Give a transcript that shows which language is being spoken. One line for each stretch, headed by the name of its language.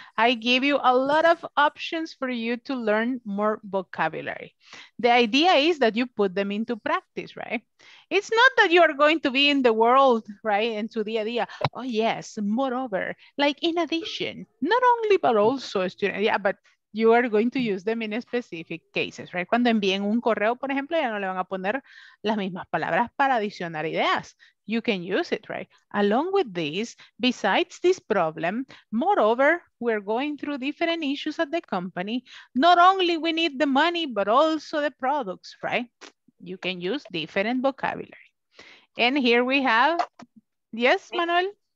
English: I give you a lot of options for you to learn more vocabulary. The idea is that you put them into practice, right? It's not that you are going to be in the world, right? And to the idea, oh yes, moreover, like in addition, not only but also student, yeah, but you are going to use them in specific cases, right?
Spanish: Cuando envíen un correo, por ejemplo, ya no le van a poner las mismas palabras para adicionar ideas.
English: You can use it, right? Along with this, besides this problem, moreover, we're going through different issues at the company. Not only we need the money, but also the products, right? You can use different vocabulary. And here we have, yes, Manuel?